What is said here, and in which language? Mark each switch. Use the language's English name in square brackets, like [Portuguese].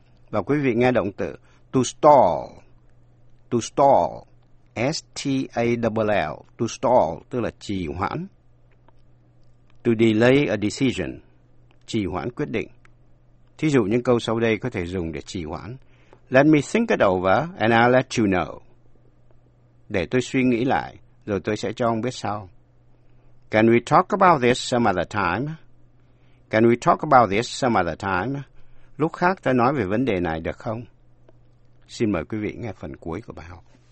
[Vietnamese] Và quý vị nghe động từ to stall, S-T-A-L-L, to stall, tức là trì hoãn. [English] To delay a decision, [Vietnamese] trì hoãn quyết định. Thí dụ những câu sau đây có thể dùng để trì hoãn. [English] Let me think it over and I'll let you know. [Vietnamese] Để tôi suy nghĩ lại, rồi tôi sẽ cho ông biết sau. [English] Can we talk about this some other time? Can we talk about this some other time? [Vietnamese] Lúc khác ta nói về vấn đề này được không? Xin mời quý vị nghe phần cuối của bài học.